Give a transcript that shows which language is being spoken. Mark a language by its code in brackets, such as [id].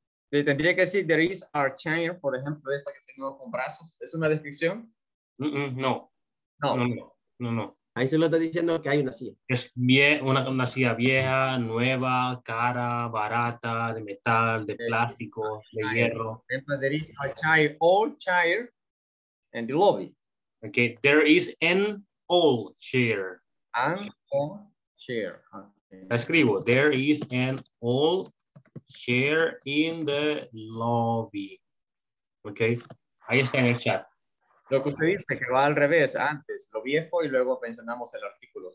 [es] Le tendría que decir, [en] there is a chair, [es] por ejemplo, esta que tengo con brazos. ¿Es una descripción? No. No. Ahí se lo está diciendo que hay una silla. Es una silla vieja, nueva, cara, barata, de metal, de plástico, de hierro. [en] There is a chair, old chair, in the lobby. Okay, there is an old chair. An old chair. Okay. [es] Escribo, [en] there is an old chair in the lobby. [es] Okay. Ahí está en el chat. Lo que usted dice que va al revés, antes lo viejo y luego mencionamos el artículo.